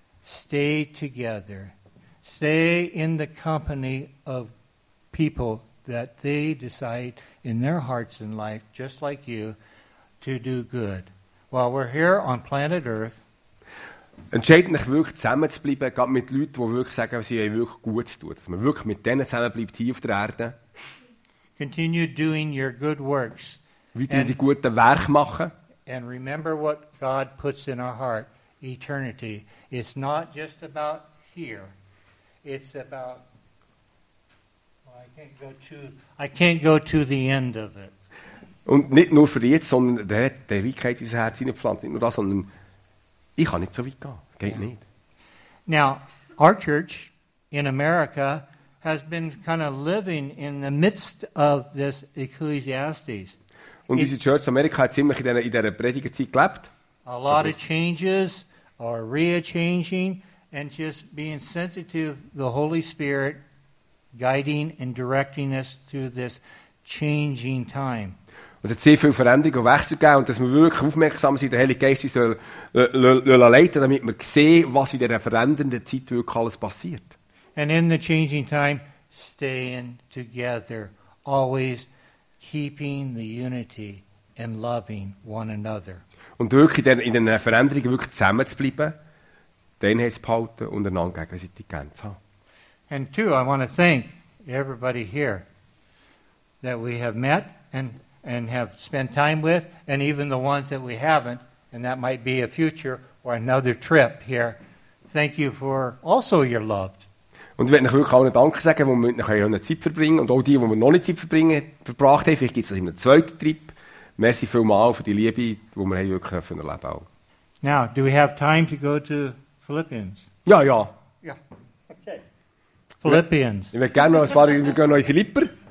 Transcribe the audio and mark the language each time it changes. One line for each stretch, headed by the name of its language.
English: Stay together. Stay in the company of people that they decide in their hearts and life, just like you, to do good. While we're here on planet Earth,
German: entscheidet euch wirklich zusammen zu bleiben, gerade mit Leuten, die wirklich sagen, sie wollen wirklich gut zu tun. Dass man wirklich mit denen zusammen bleibt, hier auf der Erde.
English: Continue doing your good works.
German: Weiter die guten Werke machen.
English: And remember what God puts in our heart, eternity. It's not just about here. It's about, well, I can't go to the end of it.
German: Und nicht nur für jetzt, sondern der hat die Ewigkeit in sein Herz hineingepflanzt. Nicht nur das, sondern ich kann nicht so weit gehen. Geht
English: yeah.
German: nicht.
English: Now, our church in America has been kind of living in the midst of this Ecclesiastes.
German: Und unsere Church in Amerika hat ziemlich in dieser Predigerzeit gelebt.
English: A lot of changes are rearranging and just being sensitive to the Holy Spirit guiding and directing us through this changing time.
German: Es hat sehr viel Veränderung und Wechsel gegeben und dass wir wirklich aufmerksam sind, der Heilige Geist uns leiten, damit wir sehen, was in dieser verändernden Zeit wirklich alles passiert.
English: And in the changing time, staying together, always keeping the unity and loving one another.
German: Und wirklich in den Veränderungen wirklich zusammen zu bleiben, die Einheit zu behalten und einander gegenseitig gern zu haben.
English: And two, I want to thank everybody here that we have met and have spent time with, and even the ones that we haven't, and that might be a future or another trip here. Thank you for also your love.
German: Und ich möchte euch wirklich auch einen Dank sagen, wo wir mit euch eine Zeit verbringen und auch die, wo wir noch nicht Zeit verbracht haben. Vielleicht gibt es einen zweiten Trip. Merci vielmals für die Liebe, die wir wirklich erleben dürfen.
English: Now, do we have time to go to Philippians?
German: Ja, ja. Ja, okay. Philippians. Ich möchte gerne noch ein paar, wir gehen noch in Philipper.